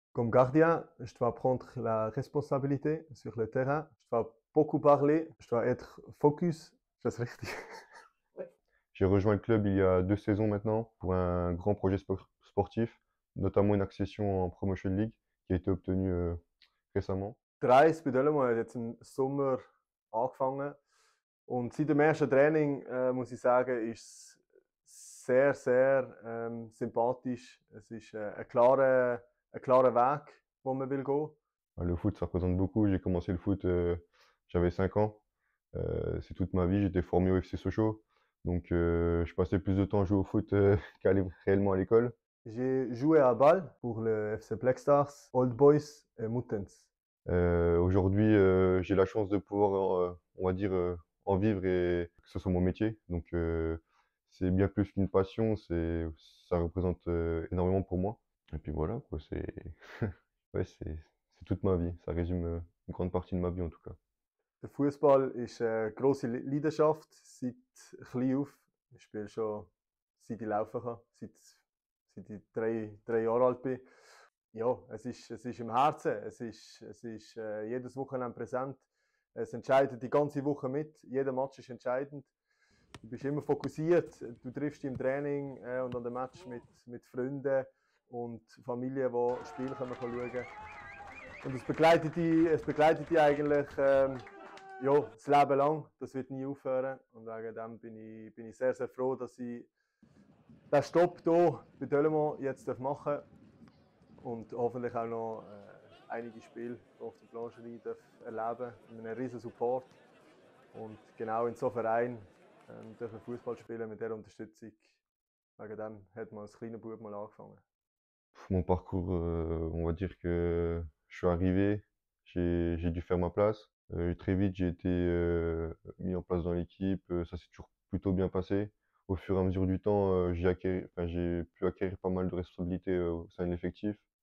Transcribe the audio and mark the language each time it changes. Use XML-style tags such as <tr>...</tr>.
<fr>Comme gardien, je dois prendre la responsabilité sur le terrain. Je dois beaucoup parler, je dois être focus. J'ai rejoint le club il y a 2 saisons maintenant pour un grand projet sportif, notamment une accession en Promotion League qui a été obtenue récemment.</fr> <de>Der Eis bei Dölemo hat jetzt im Sommer angefangen und seit dem ersten Training muss ich sagen, ist sehr, sehr sympathisch. Es ist ein klarer Weg, wo man will gehen.</de> <fr>Le foot, ça représente beaucoup. J'ai commencé le foot, j'avais 5 ans. C'est toute ma vie. J'étais formé au FC Sochaux. Donc, je passais plus de temps à jouer au foot qu'à aller réellement à l'école. J'ai joué à Bâle pour le FC Black Stars, Old Boys et Muttenz. Aujourd'hui, j'ai la chance de pouvoir, en vivre et que ce soit mon métier. Donc, c'est bien plus qu'une passion, ça représente énormément pour moi. Et puis voilà, quoi, c'est toute ma vie. Ça résume une grande partie de ma vie en tout cas. Le football est une grosse Leidenschaft</fr> <de>seit klein auf. Je spiele schon seit ich laufen kann, seit ich drei Jahre alt bin. Ja, es ist im Herzen, es ist jedes Wochenende präsent. Es entscheidet die ganze Woche mit, jeder Match ist entscheidend. Du bist immer fokussiert, du triffst dich im Training und an den Match mit Freunden und Familie, die das Spiel schauen können. Und es begleitet dich eigentlich ja, das Leben lang, das wird nie aufhören. Und wegen dem bin ich sehr, sehr froh, dass ich den Stopp hier bei Dölemo jetzt machen darf. Und hoffentlich auch noch einige Spiele auf der Blancherie erleben darf. Mit einem riesen Support und genau in so einem Verein. Dürfen Fußball spielen mit dieser Unterstützung. Wegen dem hat man als kleiner Bub mal angefangen.</de> <fr>Mon parcours, on va dire que je suis arrivé, j'ai dû faire ma place. Très vite, j'ai été mis en place dans l'équipe, ça s'est toujours plutôt bien passé. Au fur et à mesure du temps, j'ai pu acquérir pas mal de responsabilités au sein de l'effectif.</fr>